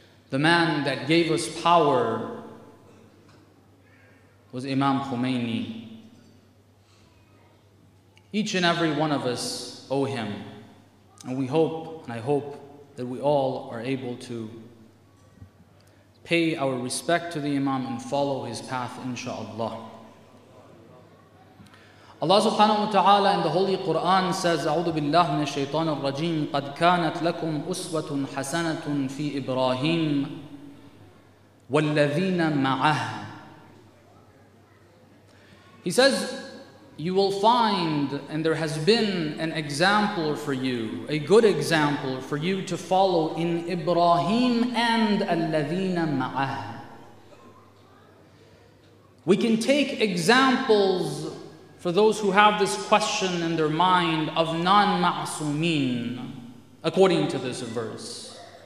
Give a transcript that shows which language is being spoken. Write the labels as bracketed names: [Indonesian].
[English] The man that gave us power was Imam Khomeini. Each and every one of us owe him. And we hope, and I hope, that we all are able to pay our respect to the Imam and follow his path, inshaAllah. Allah subhanahu wa ta'ala in the Holy Quran says, [Arabic] أعوذ بالله من الشيطان الرجيم قد كانت لكم أسوة حسنة في إبراهيم والذين معه. [English] He says, you will find, and there has been an example for you, a good example for you to follow in Ibrahim and [Arabic] الذين معه. [English] We can take examples for those who have this question in their mind of non-ma'sumeen, according to this verse.